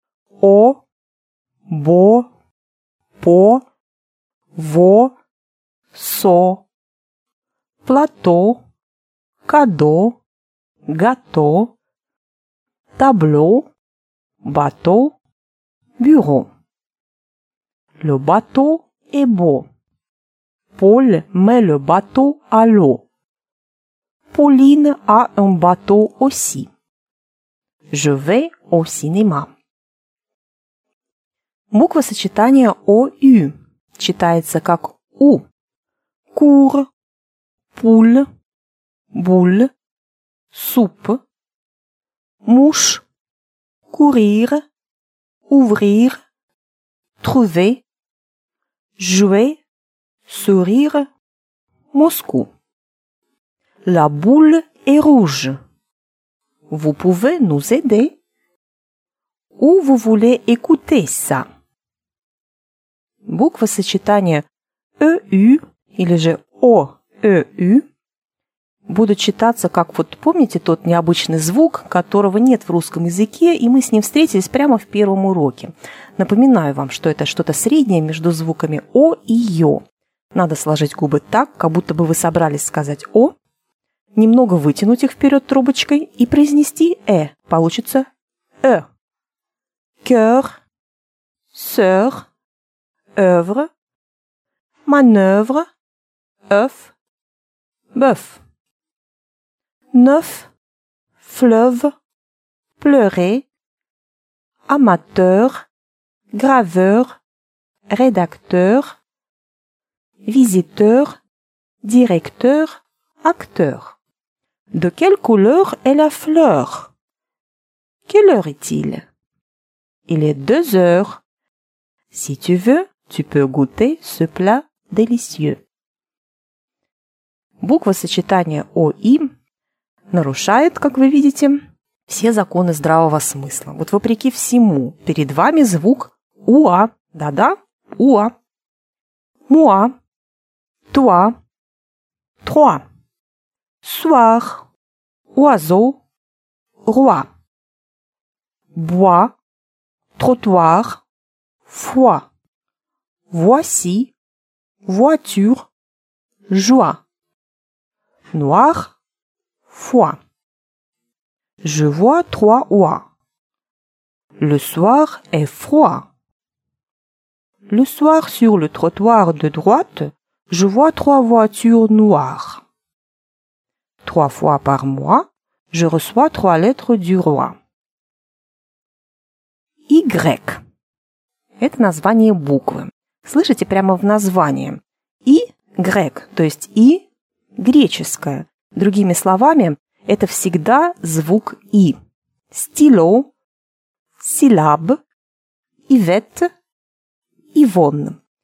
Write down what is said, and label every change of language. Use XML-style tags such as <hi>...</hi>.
<ru>О, Бо, По, Во, Со, Плато, Кадо, Гато, Табло, Бато, Бюро.</ru> <fr>Le bateau est beau. Paul met le bateau à l'eau. Pauline a un bateau aussi. Je vais au cinéma.</fr> <ru>Буква сочетания ОЮ читается как У. Кур, пуль, Буль, суп, муж, курир, уврир, трувер, жуэ, сурир, Москву.</ru> <fr>La boule est rouge. Vous pouvez nous aider? Où vous voulez écouter ça?</fr> <ru>Буква сочетания ЭЮ или же ОЭЮ будут читаться, как вот помните, тот необычный звук, которого нет в русском языке, и мы с ним встретились прямо в первом уроке. Напоминаю вам, что это что-то среднее между звуками О и Ё. Надо сложить губы так, как будто бы вы собрались сказать О, немного вытянуть их вперед трубочкой и произнести Э. Получится Э. Кёр, сёр, œuvre, манёвр, œuf, бёф.</ru> <fr>Neuf, fleuve, pleurer, amateur, graveur, rédacteur, visiteur, directeur, acteur. De quelle couleur est la fleur? Quelle heure est-il? Il est 2 heures. Si tu veux, tu peux goûter ce plat délicieux.</fr> <ru>Буква сочетания ОИ нарушает, как вы видите, все законы здравого смысла. Вот вопреки всему, перед вами звук УА. Да-да, УА. МУА. ТУА. ТРОА. СУАР. УАЗО. РУА. БУА. ТРОТУАР. ФУА. ВОСИ. ВОИТЮР. ЖУА. НУАР. Foi.</ru> <fr>Je vois 3 oies. Le soir est froid. Le soir sur le trottoir de droite, je vois 3 voitures noires. 3 fois par mois, je reçois 3 lettres du roi. Y.</fr> <ru>Это название буквы. Слышите прямо в названии. Y, то есть I, греческое. Другими словами, это всегда звук «и». Стило, силаб, ивет, ивон.</ru>